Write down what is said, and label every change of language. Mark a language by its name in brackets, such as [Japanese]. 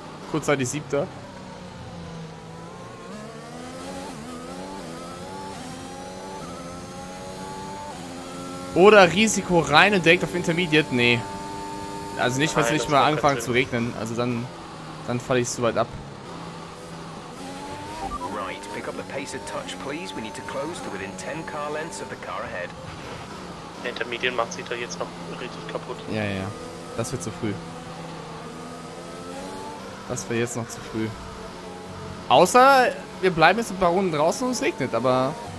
[German] Kurz war die Siebte. Oder Risiko rein und direkt auf Intermediate? Nee. Also nicht, weil es nicht mal angefangen zu regnen. Also dann falle ich zu weit ab. [English] Pick up the pace a touch, please. We need to close to within 10 car lengths of the car ahead. [German] Intermediate macht sich da jetzt noch richtig kaputt. Ja. Das wird zu früh. Das wäre jetzt noch zu früh. Außer wir bleiben jetzt ein paar Runden draußen und es regnet, aber.